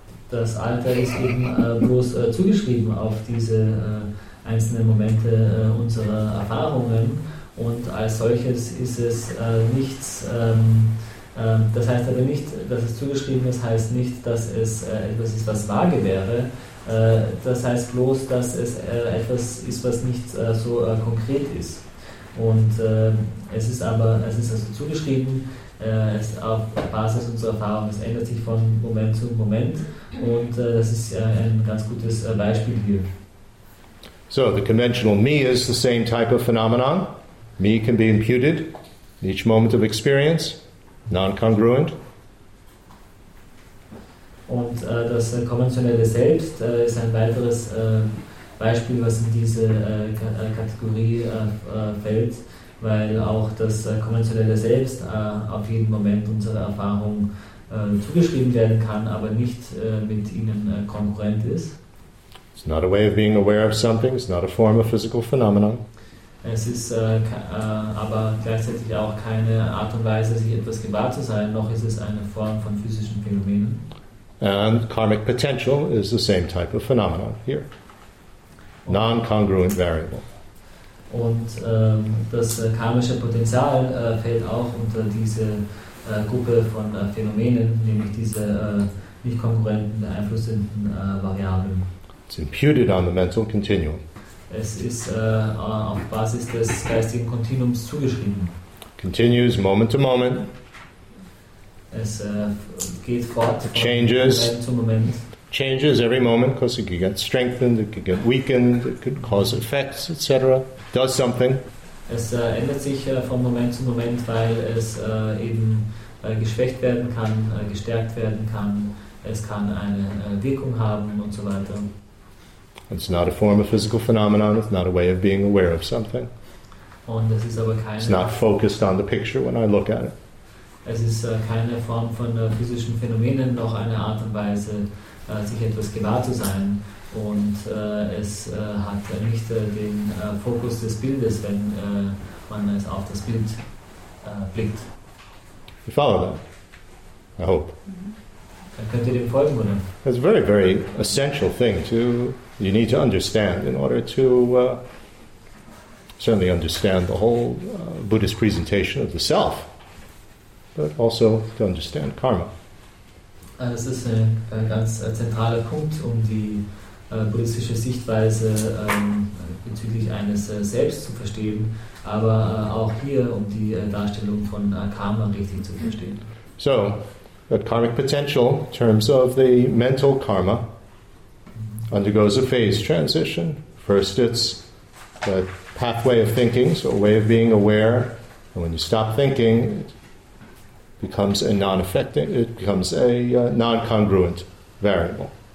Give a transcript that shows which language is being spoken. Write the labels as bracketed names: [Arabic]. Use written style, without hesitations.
[German] Das Alter ist eben bloß zugeschrieben auf diese einzelnen Momente unserer Erfahrungen und als solches ist es nichts, das heißt aber nicht, dass es zugeschrieben ist, heißt nicht, dass es etwas ist, was vage wäre, das heißt bloß, dass es etwas ist, was nicht so konkret ist. Und es ist also zugeschrieben, es auf Basis unserer Erfahrung, es ändert sich von Moment zu Moment und das ist ein ganz gutes Beispiel hier. [English] So, the conventional me is the same type of phenomenon. Me can be imputed in each moment of experience, non-congruent. [German] Und das konventionelle Selbst ist ein weiteres Beispiel, was in diese Kategorie fällt, weil auch das konventionelle Selbst auf jeden Moment unserer Erfahrung zugeschrieben werden kann, aber nicht mit ihnen konkurrent ist. [English] It's not a way of being aware of something, it's not a form of physical phenomenon. [German] Es ist aber gleichzeitig auch keine Art und Weise, sich etwas gewahr zu sein, noch ist es eine Form von physischen Phänomenen. [English] And karmic potential is the same type of phenomenon here. Non-congruent variable. [German] Und das karmische Potenzial fällt auch unter diese Gruppe von Phänomenen, nämlich diese nicht konkurrenten, beeinflussenden Variablen. [English] It's imputed on the mental continuum. [German] Es ist auf Basis des geistigen Kontinuums zugeschrieben. [English] Continues moment to moment. [German] Es geht fort von Moment zu Moment. [English] Changes every moment because it could get strengthened, it could get weakened, it could cause effects, etc. Does something. [German] Es ändert sich von Moment zu Moment, weil es eben geschwächt werden kann, gestärkt werden kann, es kann eine Wirkung haben und so weiter. [English] It's not a form of physical phenomenon, it's not a way of being aware of something. [German] Und es ist aber keine, [English] it's not focused on the picture when I look at it. [German] Es ist keine Form von physischen Phänomenen, noch eine Art und Weise, sich etwas gewahr zu sein und es hat nicht den Fokus des Bildes, wenn man es auf das Bild blickt. [English] You follow that? I hope. [German] Dann könnt ihr dem folgen, oder? [English] It's a very, very essential thing to, you need to understand in order to certainly understand the whole Buddhist presentation of the self, but also to understand karma. [German] Das ist ein ganz zentraler Punkt, um die buddhistische Sichtweise bezüglich eines Selbst zu verstehen, aber auch hier, um die Darstellung von Karma richtig zu verstehen. [English] So, that karmic potential, in terms of the mental karma, undergoes a phase transition. First, it's the pathway of thinking, so a way of being aware, and when you stop thinking, becomes a non-affecting, it becomes a non-congruent variable.